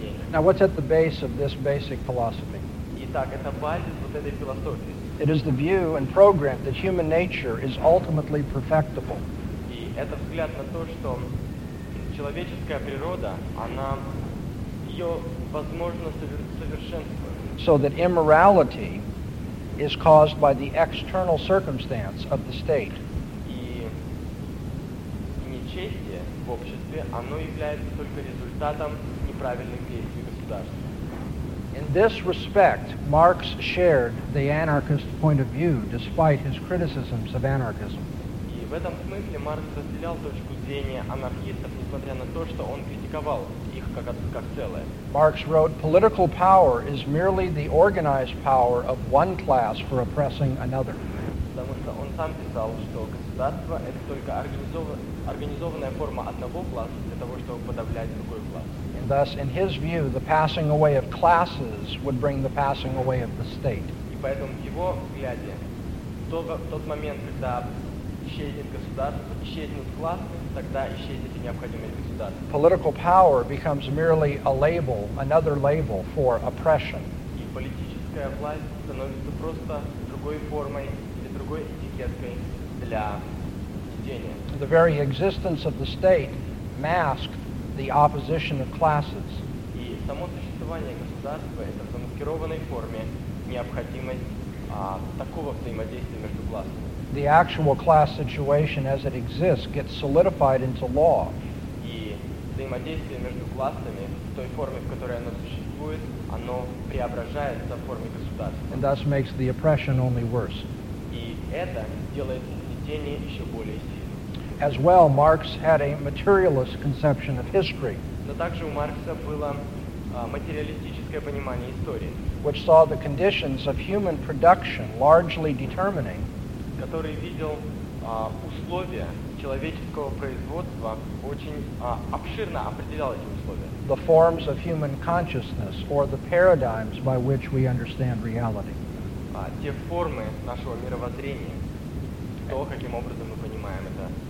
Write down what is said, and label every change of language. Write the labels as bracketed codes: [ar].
[en] Now, what's at the base of this basic philosophy? [ru] Итак, это базис вот этой философии. [en] It is the view and program that human nature is ultimately perfectible. [ru] И это взгляд на то, что человеческая природа, она, ее возможно совершенствовать. [en] So that immorality is caused by the external circumstance of the state. [ru] И нечестие в обществе, оно является только результатом неправильных действий государства. [en] In this respect, Marx shared the anarchist point of view, despite his criticisms of anarchism. [ru] И в этом смысле Маркс разделял точку зрения анархистов, несмотря на то, что он критиковал их как целое. [en] Marx wrote, "Political power is merely the organized power of one class for oppressing another." [ru] Потому что он сам писал, что государство — это только организованная форма одного класса для того, чтобы подавлять другой класс. [en] And thus, in his view, the passing away of classes would bring the passing away of the state. [ru] И поэтому в его взгляде, тот момент, когда исчезнет государство, исчезнут классы, тогда исчезнет и необходимость государства. [en] Political power becomes merely a label, another label for oppression. [ru] И политическая власть становится просто другой формой или другой этикеткой для... [en] The very existence of the state masked the opposition of classes. [ru] И само существование государства это в замаскированной форме необходимость такого взаимодействия между классами. [en] The actual class situation as it exists gets solidified into law. [ru] И взаимодействие между классами в той форме, в которой оно существует, оно преображается в форме государства. [en] And thus makes the oppression only worse. [ru] И это делает угнетение еще более сильным. [en] As well, Marx had a materialist conception of history, [ru] но также у Маркса было материалистическое понимание истории, [en] which saw the conditions of human production largely determining, [ru] который видел условия человеческого производства очень обширно определял эти условия, [en] the forms of human consciousness or the paradigms by which we understand reality, [ru] те формы нашего мировоззрения, то, каким образом мы понимаем это.